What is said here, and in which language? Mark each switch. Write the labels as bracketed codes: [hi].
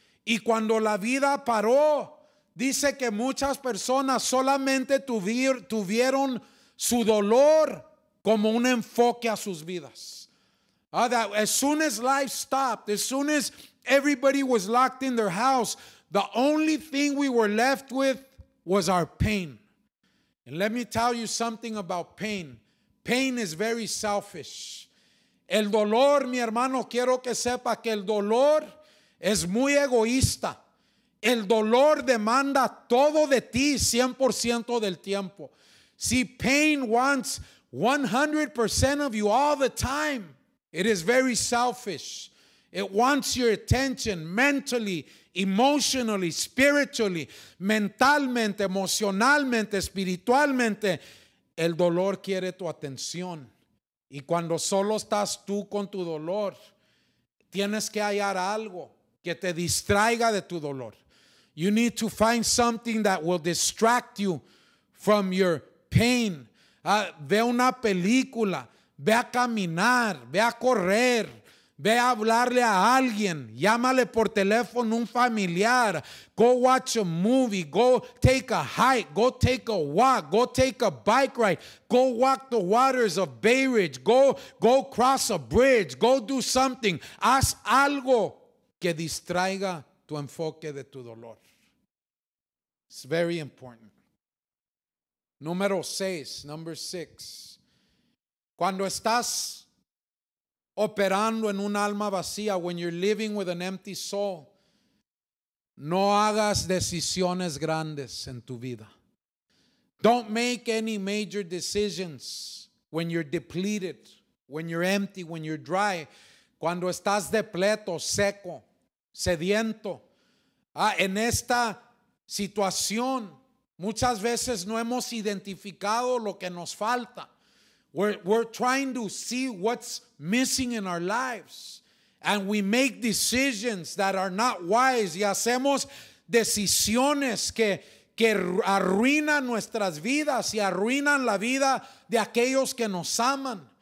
[es] Y cuando la vida paró, dice que muchas personas solamente tuvieron su dolor como un enfoque a sus vidas. [en] That as soon as life stopped, as soon as everybody was locked in their house, the only thing we were left with was our pain. And let me tell you something about pain. Pain is very selfish. [es] El dolor, mi hermano, quiero que sepa que el dolor es muy egoísta. El dolor demanda todo de ti 100% del tiempo. [en] See, pain wants 100% of you all the time. It is very selfish. It wants your attention mentally, emotionally, spiritually, [es] mentalmente, emocionalmente, espiritualmente. El dolor quiere tu atención. Y cuando solo estás tú con tu dolor, tienes que hallar algo que te distraiga de tu dolor. [en] You need to find something that will distract you from your pain. [es] Ve una película, ve a caminar, ve a correr, ve a hablarle a alguien, llámale por teléfono un familiar, [en] go watch a movie, go take a hike, go take a walk, go take a bike ride, go walk the waters of Bay Ridge, go cross a bridge, go do something, [es] haz algo que distraiga tu enfoque de tu dolor. [en] It's very important. [es] Número seis, [en] number six. [es] Cuando estás operando en un alma vacía, [en] when you're living with an empty soul, [es] no hagas decisiones grandes en tu vida. [en] Don't make any major decisions when you're depleted, when you're empty, when you're dry. [es] Cuando estás depleto, seco, sediento. En esta situación, muchas veces no hemos identificado lo que nos falta. [en] We're trying to see what's missing in our lives. And we make decisions that are not wise. [es] Y hacemos decisiones que arruinan nuestras vidas y arruinan la vida de aquellos que nos aman.